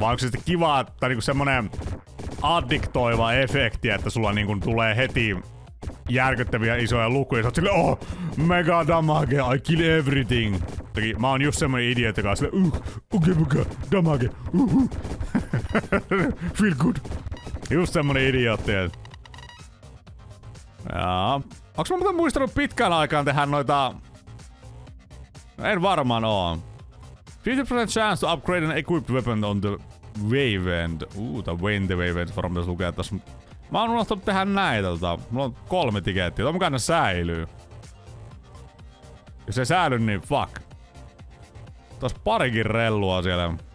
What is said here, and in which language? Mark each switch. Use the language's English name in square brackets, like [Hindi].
[Finnish] Vai onko se sitten kiva, tai niinku semmonen addiktoiva efekti, että sulla niinku tulee heti järkyttäviä isoja lukuja, ja sä oot silleen, [English] oh, mega damage, I kill everything. [Finnish] Toki mä oon just semmonen idiot, joka on silleen, [English] damage, feel good. [Finnish] Just semmonen idiotti, et. Jaa. Onks mä muuten muistanut pitkään aikaan tehdä noita. En varmaan oo. [English] 50% chance to upgrade an equipped weapon on the wave end. The wave end, [Finnish] varmaan pitäis lukea tässä. Mä oon unohtanut tehdä näitä tota. Mulla on 3 tikettiä, tommukaan ne säilyy. Jos ei säily, niin fuck. Tos parikin rellua siellä.